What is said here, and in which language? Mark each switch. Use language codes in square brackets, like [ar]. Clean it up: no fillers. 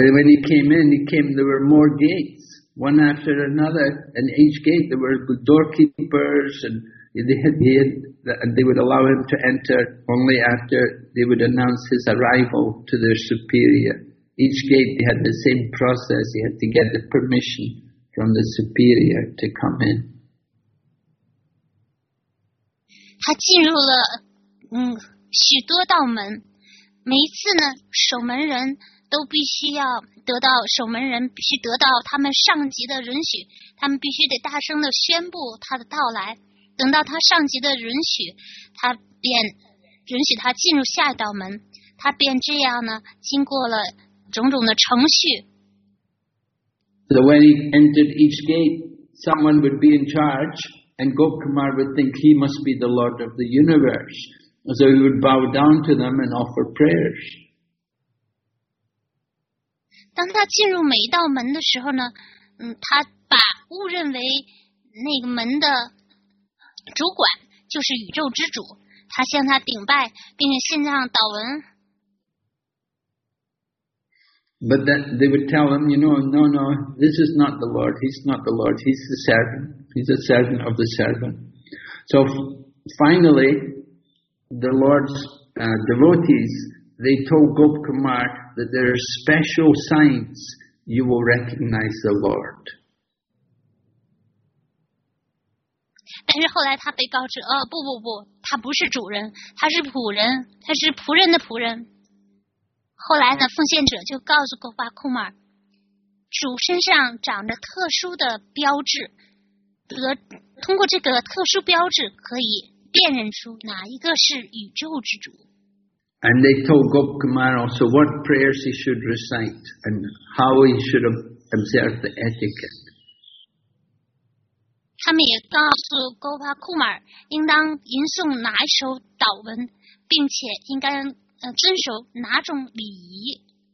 [en] when he came, there were more gates. One after another, in each gate there were doorkeepers and they would allow him to enter only after they would announce his arrival to their superior. Each gate, they had the same process. He had to get the permission from the superior to come in. [zh] 他进入了许多道门，每一次呢，守门人都必须要得到守门人必须得到他们上级的允许，他们必须得大声的宣布他的到来。等到他上级的允许，他便允许他进入下一道门，他便这样呢，经过了种种的程序。 [en] So when he entered each gate, someone would be in charge. And Gopkumar would think he must be the Lord of the universe. So he would bow down to them and offer prayers. [zh] 当他进入每一道门的时候呢，他把误认为那个门的主管就是宇宙之主，他向他顶拜，并且献上祷文。 [en] But then they would tell him, you know, no, no, this is not the Lord. He's not the Lord. He's the servant. He's a servant of the servant. So finally, the Lord's devotees, they told Gopkumar that there are special signs you will recognize the Lord. [zh] 但是后来他被告知，哦，不不不，他不是主人，他是仆人，他是仆人的仆人。后来呢，奉献者就告诉Gopa Kumar，主身上长着特殊的标志，通过这个特殊标志可以辨认出哪一个是宇宙之主。 [en] And they told Gopa Kumar also what prayers he should recite and how he should observe the etiquette. [zh] 他们也告诉Gopa Kumar应当吟诵哪一首祷文，并且应该遵守哪种礼仪。